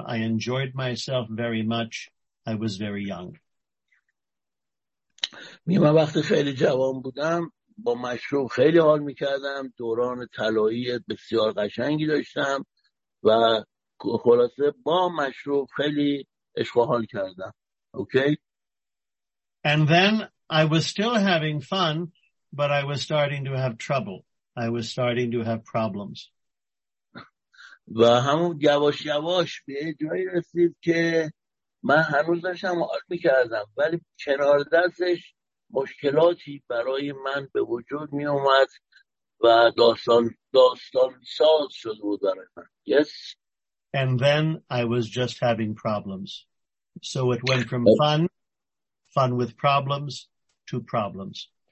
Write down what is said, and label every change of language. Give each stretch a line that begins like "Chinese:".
English: I enjoyed myself very much. I was very young.
Persian: من وقتی خیلی جوان بودم با مشروب خیلی حال میکردم، دوران طلایی بسیار قشنگی داشتم و خلاصه با مشروب خیلی عشق و حال کردم.
English: Okay. And then I was still having fun, but I was starting to have trouble. I was starting to have problems.
Persian: و همون یواش یواش به جایی رسید که من هنوز داشتم حال می‌کردم، ولی کنار دستش مشکلاتی برای من به وجود می اومد و داستان ساز شده بود برای من. Yes.
English: And then I was just having problems. So it went from fun, fun with problems, to problems.